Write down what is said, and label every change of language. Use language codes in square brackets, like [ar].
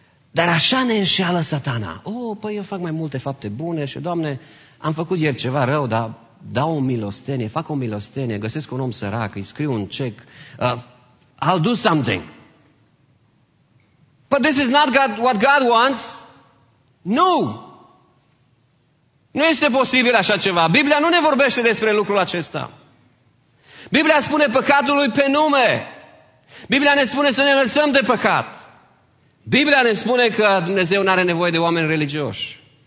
[ro] Dar așa ne înșeală Satana. Oh, păi eu fac mai multe fapte bune și, Doamne, am făcut ieri ceva rău, dar dau o milostenie, fac o milostenie, găsesc un om sărac, îi scriu un cec. [en] I'll do something. But this is not God, what God wants. No! [ro] Nu este posibil așa ceva. Biblia nu ne vorbește despre lucrul acesta. Biblia spune păcatul lui pe nume. Biblia ne spune să ne lăsăm de păcat. Biblia ne spune că Dumnezeu nu are nevoie de oameni religioși.